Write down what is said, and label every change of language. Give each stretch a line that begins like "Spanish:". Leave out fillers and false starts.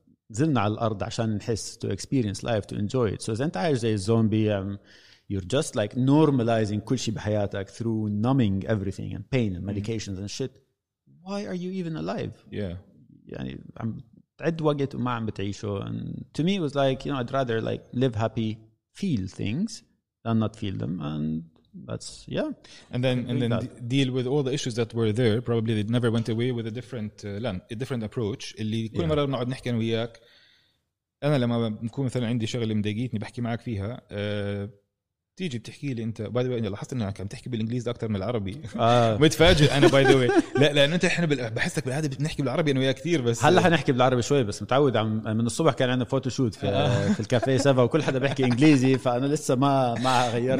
Arabic: زلنا على الأرض عشان نحس,
English: to experience life, to enjoy it. So
Arabic: إذا أنت عايش زي الزومبي,
English: you're just like normalizing
Arabic: كل شيء بحياتك
English: through numbing everything and pain and medications and shit. Why are you even alive?
Arabic: يعني عم تعد وقت وما عم بتعيشه.
English: And to me it was like, I'd rather like live happy, feel things than not feel them. And that's, And then deal with all the issues that were there. Probably they never went away with a different approach.
Arabic: اللي كل مرة بنقعد نحكي وياك, أنا لما بكون مثلا عندي شغلة مضايقتني بحكي معك فيها, تيجي بتحكي لي أنت.
English: by the way
Arabic: لاحظت إنك عم تحكي بالإنجليزي أكثر من العربي. متفاجئ أنا باي ذا واي. لا لأن أنت إحنا بحسك بالعادة بنحكي بالعربي أنا وياك كثير, بس هلا حنحكي بالعربي شوي, بس متعود من الصبح كان عندنا فوتو شوت في الكافيه سافا وكل حدا بيحكي إنجليزي, فأنا لسه ما غيرت.